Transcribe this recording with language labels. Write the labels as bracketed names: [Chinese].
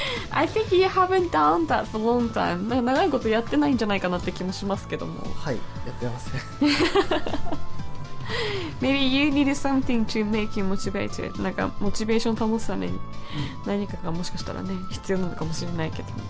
[English] I think you haven't done that for a long time. [Japanese] なんか長いことやってないんじゃないかなって気もしますけども、はい、やってます [English] Maybe you needed something to make you motivated. [Japanese] なんかモチベーション保つために何かがもしかしたらね必要なのかもしれないけど、